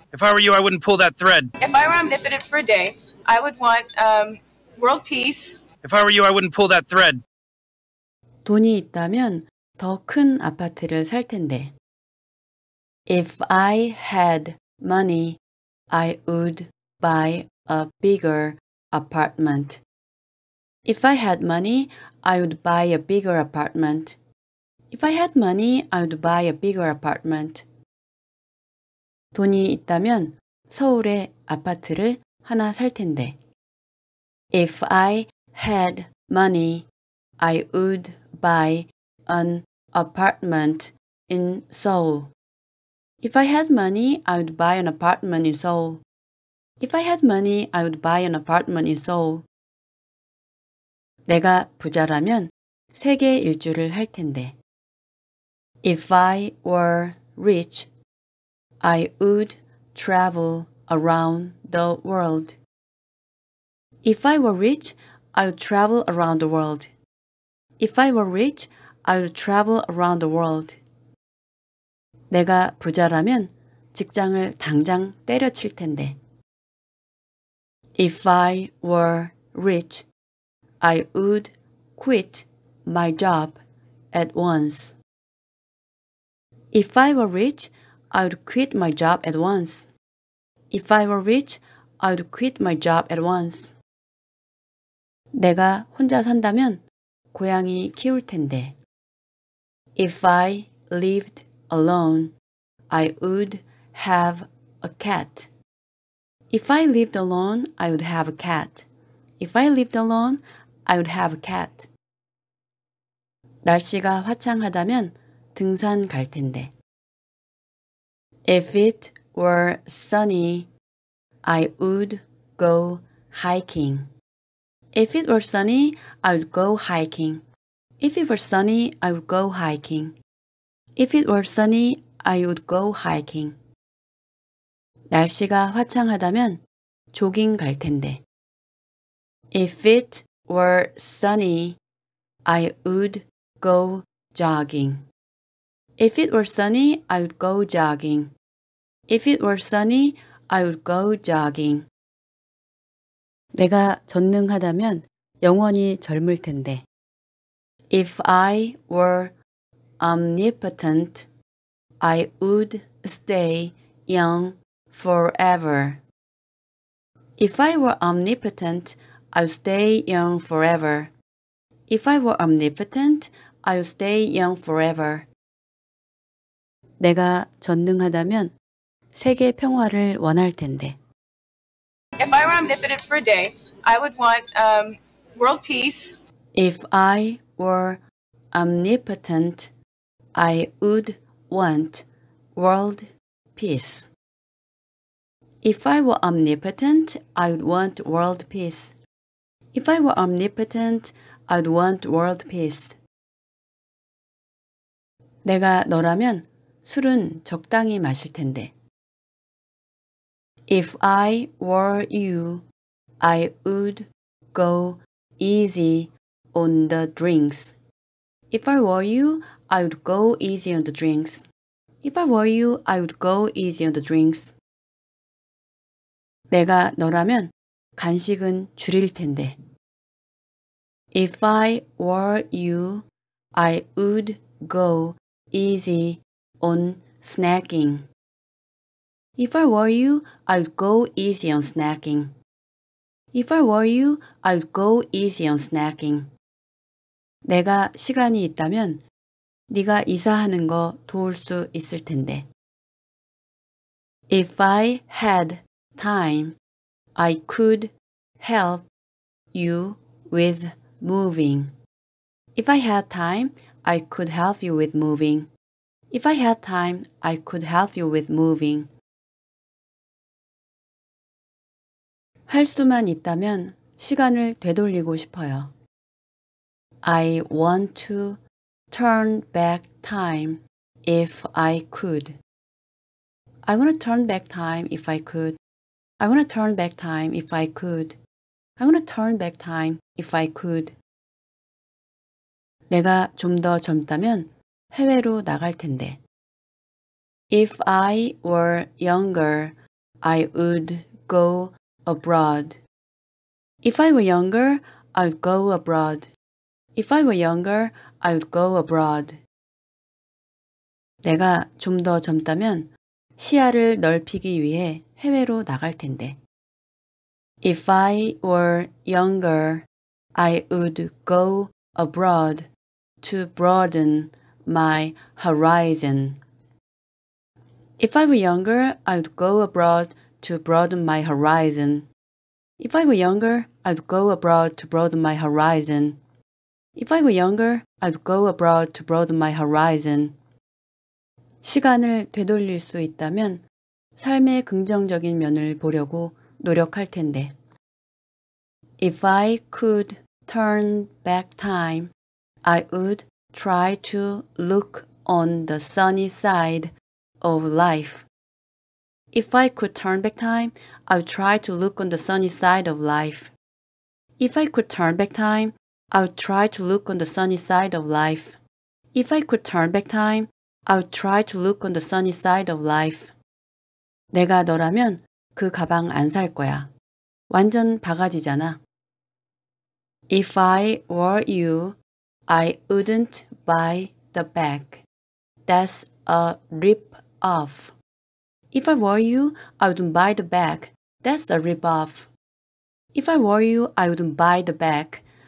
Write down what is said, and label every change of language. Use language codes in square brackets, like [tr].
[en] If I were you, I wouldn't pull that thread. If I were omnipotent for a day, I would want world peace. If I were you, I wouldn't pull that thread. [ko] 돈이 있다면 더 큰 아파트를 살 텐데. [en] If I had money, I would buy a bigger apartment. If I had money, I would buy a bigger apartment. If I had money, I would buy a bigger apartment. [ko] 돈이 있다면 서울에 아파트를 하나 살 텐데. [en] If I had money, I would buy an apartment in Seoul. If I had money, I would buy an apartment in Seoul. If I had money, I would buy an apartment in Seoul. [ko] 내가 부자라면 세계 일주를 할 텐데. [en] If I were rich, I would travel around the world. If I were rich, I would travel around the world. If I were rich, I would travel around the world. [ko] 내가 부자라면 직장을 당장 때려칠 텐데. [en] If I were rich, I would quit my job at once. If I were rich, I would quit my job at once. If I were rich, I would quit my job at once. [ko] 내가 혼자 산다면 고양이 키울 텐데. [en] If I lived alone, I would have a cat. If I lived alone, I would have a cat. If I lived alone, I would have a cat. [ko] 날씨가 화창하다면 등산 갈 텐데. [en] If it were sunny, I would go hiking. If it were sunny, I would go hiking. If it were sunny, I would go hiking. If it were sunny, I would go hiking. [ko] 날씨가 화창하다면 조깅 갈 텐데. [en] If it were sunny, I would go jogging. If it were sunny, I would go jogging. If it were sunny, I would go jogging. [ko] 내가 전능하다면 영원히 젊을 텐데. [en] If I were omnipotent, I would stay young forever. If I were omnipotent, I would stay young forever. If I were omnipotent, I would stay young forever. [ko] 내가 전능하다면 세계 평화를 원할 텐데. [en] If I were omnipotent for a day, I would want world peace. If I were omnipotent, I would want world peace. If I were omnipotent, I would want world peace. If I were omnipotent, I would want world peace. [ko] 내가 너라면 술은 적당히 마실 텐데. [en] If I were you, I would go easy on the drinks. If I were you, I would go easy on the drinks. If I were you, I would go easy on the drinks. [ko] 내가 너라면 간식은 줄일 텐데. [en] If I were you, I would go easy on snacking. If I were you, I'd go easy on snacking. If I were you, I'd go easy on snacking. [ko] 내가 시간이 있다면 네가 이사하는 거 도울 수 있을 텐데. [en] If I had time, I could help you with moving. If I had time, I could help you with moving. If I had time, I could help you with moving. [ko] 할 수만 있다면 시간을 되돌리고 싶어요. [en] I want to turn back time if I could. I want to turn back time if I could. I want to turn back time if I could. I want to turn back time if I could. [ko] 내가 좀 더 젊다면 해외로 나갈 텐데. [en] If I were younger, I would go abroad. If I were younger, I would go abroad. If I were younger, I would go abroad. [ko] 내가 좀 더 젊다면 시야를 넓히기 위해 해외로 나갈 텐데. [en] If I were younger, I would go abroad to broaden my horizon. If I were younger, I would go abroad to broaden my horizon. If I were younger, I would go abroad to broaden my horizon. If I were younger, I'd go abroad to broaden my horizon. [ko] 시간을 되돌릴 수 있다면 삶의 긍정적인 면을 보려고 노력할 텐데. [en] If I could turn back time, I would try to look on the sunny side of life. If I could turn back time, I would try to look on the sunny side of life. If I could turn back time, I would try to look on the sunny side of life. If I could turn back time, I would try to look on the sunny side of life. [ko] 내가 너라면 그 가방 안 살 거야. 완전 바가지잖아. [en] If I were you, I wouldn't buy the bag. That's a rip-off. If I were you, I wouldn't buy the bag. That's a rip-off. If I were you, I wouldn't buy the bag.